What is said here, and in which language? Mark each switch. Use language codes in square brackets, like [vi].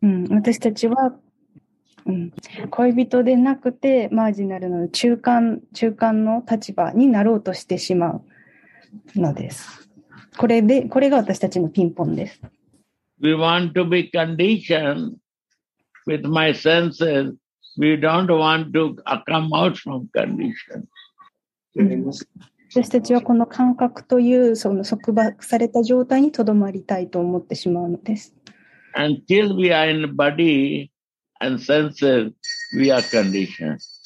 [ja] 私たちは、恋人でなくてマージナルの中間の立場になろうとしてしまうのです。これが私たちのピンポンです。 [en] We want to be conditioned with my senses. We don't want to come out from condition. [ja] 私たちはこの感覚というその束縛された状態にとどまりたいと思ってしまうのです。 [en] Until we are in body and senses, we are conditioned.